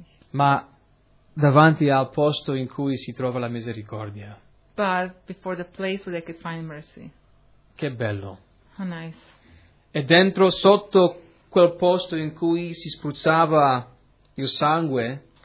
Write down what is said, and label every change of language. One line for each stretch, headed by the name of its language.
Italian: Ma davanti al posto in cui si trova la misericordia.
English: But before the place where they could find mercy.
Italian: Che bello.
English: How nice.
Italian: E dentro, sotto quel posto in cui si spruzzava il sangue.